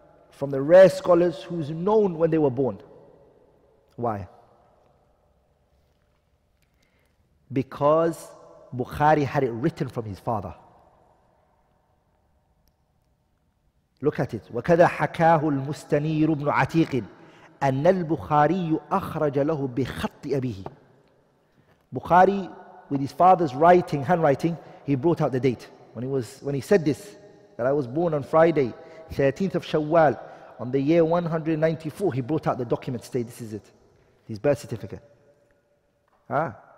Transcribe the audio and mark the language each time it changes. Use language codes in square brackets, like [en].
[en] from the rare scholars who's known when they were born. Why? Because Bukhari had it written from his father. Look at it. [ar] وَكَذَا حَكَاهُ الْمُسْتَنِيرُ بْنُ عَتِيقٍ أَنَّ الْبُخَارِيُّ أَخْرَجَ لَهُ بِخَطِّ أَبِيهِ. [en] Bukhari, with his father's writing, handwriting, he brought out the date. When he said this, that I was born on Friday, 13th of Shawwal, on the year 194, he brought out the document to say, this is it, his birth certificate. Ah.